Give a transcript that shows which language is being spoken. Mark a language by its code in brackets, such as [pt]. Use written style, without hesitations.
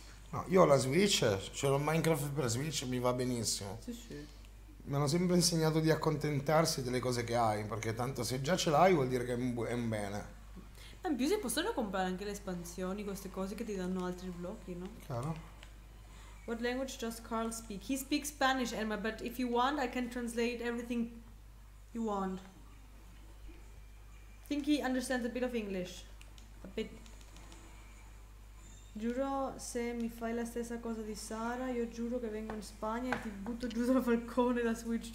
[it] No, io ho la Switch, cioè ho Minecraft per Switch, mi va benissimo. Sì, sì. Mi hanno sempre insegnato di accontentarsi delle cose che hai, perché tanto se già ce l'hai vuol dire che è un bene. Ma in più si possono comprare anche le espansioni, queste cose che ti danno altri blocchi, no? Chiaro. [en] What language does Carl speak? He speaks Spanish, Emma, but if you want, I can translate everything you want. I think he understands a bit of English. A bit. [it] Giuro, se mi fai la stessa cosa di Sara, io giuro che vengo in Spagna e ti butto giù dal balcone da Switch.